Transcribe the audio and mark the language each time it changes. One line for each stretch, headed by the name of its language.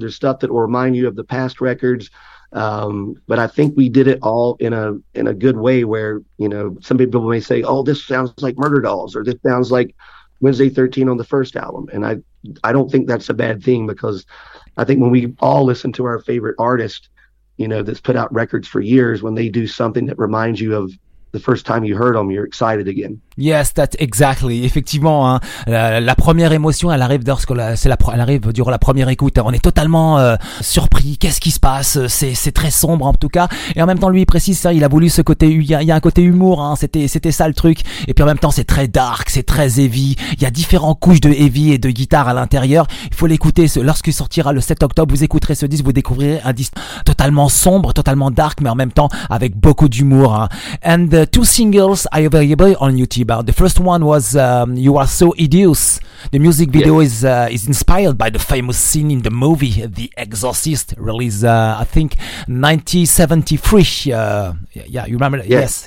English: There's stuff that will remind you of the past records. But I think we did it all in a good way where, you know, some people may say, oh, this sounds like Murder Dolls, or this sounds like Wednesday 13 on the first album. And I don't think that's a bad thing, because I think when we all listen to our favorite artist, you know, that's put out records for years, when they do something that reminds you of the first time you heard them, you're excited again. Yes, that's exactly.
French: Effectivement, hein, la première émotion, elle arrive lorsque elle arrive durant la première écoute. On est totalement surpris. Qu'est-ce qui se passe? C'est très sombre en tout cas. Et en même temps, lui il précise ça. Il a voulu ce côté. Il y a un côté humour. Hein, c'était ça le truc. Et puis en même temps, c'est très dark. C'est très heavy. Il y a différentes couches de heavy et de guitare à l'intérieur. Il faut l'écouter. Lorsqu'il sortira le 7 octobre, vous écouterez ce disque. Vous découvrirez un disque totalement sombre, totalement dark, mais en même temps avec beaucoup d'humour. Hein.
English: And the two singles are available on YouTube. About the first one was You Are So Hideous. The music video is inspired by the famous scene in the movie The Exorcist, released I think 1973. Yeah, you remember that? Yes,